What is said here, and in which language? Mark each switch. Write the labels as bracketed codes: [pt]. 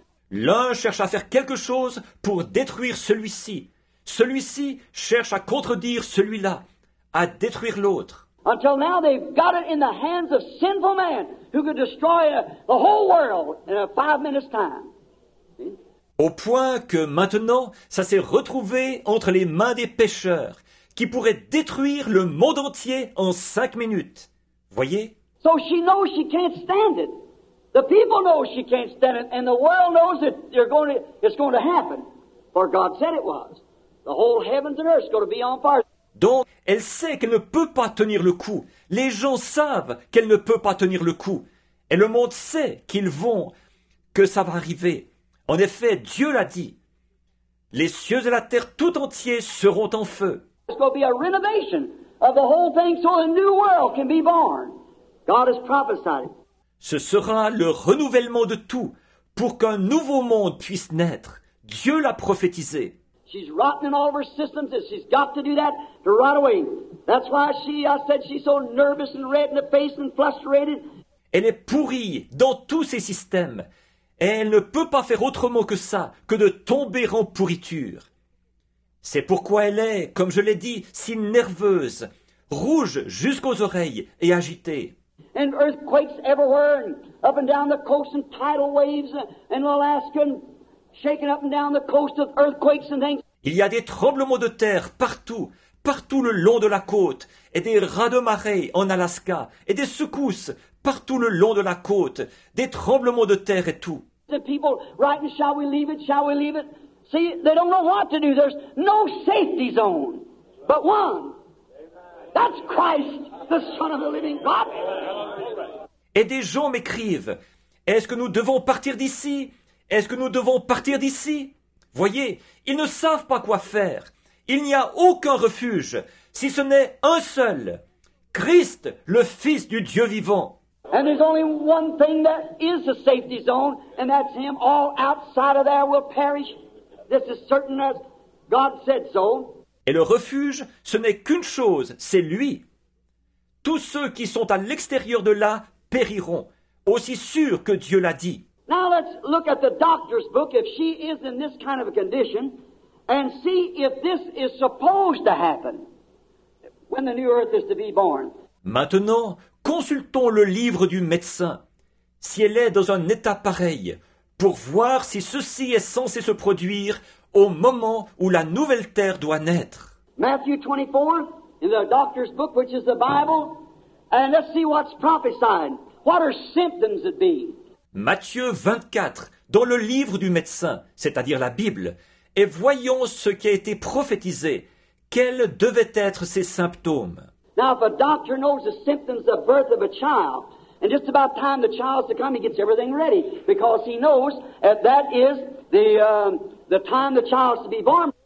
[fr] L'un cherche à faire quelque chose pour détruire celui-ci. Celui-ci cherche à contredire celui-là, à détruire l'autre. [en] Until now they've got it in the hands of sinful man who could destroy the whole world in a 5 minutes time. [fr] Au point que maintenant, ça s'est retrouvé entre les mains des pécheurs qui pourraient détruire le monde entier en 5 minutes. Voyez? [en] So she knows she can't stand it. The people know she can't stand it, and the world knows that it's going to happen. For God said it was. The whole heavens and earth is going to be on fire. [fr] Donc, elle sait qu'elle ne peut pas tenir le coup. Les gens savent qu'elle ne peut pas tenir le coup. Et le monde sait que ça va arriver. En effet, Dieu l'a dit. Les cieux et la terre tout entiers seront en feu. [en] It's going to be a renovation of the whole thing so a new world can be born. God has prophesied it. [fr] Ce sera le renouvellement de tout pour qu'un nouveau monde puisse naître. Dieu l'a prophétisé. [en] She's rotten in all of her systems and she's got to do that to right away. That's why she's so nervous and red in the face and frustrated. [fr] Elle est pourrie dans tous ses systèmes. Et elle ne peut pas faire autrement que ça, que de tomber en pourriture. C'est pourquoi elle est, comme je l'ai dit, si nerveuse, rouge jusqu'aux oreilles et agitée. [en] And earthquakes everywhere, and up and down the coast, and tidal waves, and Alaska, and shaking up and down the coast of earthquakes and things. [fr] Il y a des tremblements de terre partout le long de la côte, et des raz de marée en Alaska, et des secousses partout le long de la côte, des tremblements de terre et tout. [en] The people writing, shall we leave it? Shall we leave it? See, they don't know what to do. There's no safety zone, but one. That's Christ. The Son of the living God. [fr] Et des gens m'écrivent, est-ce que nous devons partir d'ici? Est-ce que nous devons partir d'ici? Voyez, ils ne savent pas quoi faire. Il n'y a aucun refuge, si ce n'est un seul. Christ, le Fils du Dieu vivant. [en] And there's only one thing that is a safety zone, and that's him. All outside of there will perish. This is certain as God said so. [fr] Et le refuge, ce n'est qu'une chose, c'est lui. Tous ceux qui sont à l'extérieur de là périront, aussi sûr que Dieu l'a dit. [en] Now let's look at the doctor's book if she is in this kind of a condition and see if this is supposed to happen when the new earth is to be born. [fr] Maintenant, consultons le livre du médecin si elle est dans un état pareil pour voir si ceci est censé se produire au moment où la nouvelle terre doit naître. [en] Matthew 24. In the doctor's book, which is the Bible, and let's see what's prophesied. What are symptoms it be? [fr] Matthieu 24, dans le livre du médecin, c'est-à-dire la Bible, et voyons ce qui a été prophétisé. Quels devaient être ces symptômes? [en] Now, if a doctor knows the symptoms of birth of a child, and just about time the child's to come, he gets everything ready, because he knows that that is the time the child's to be born.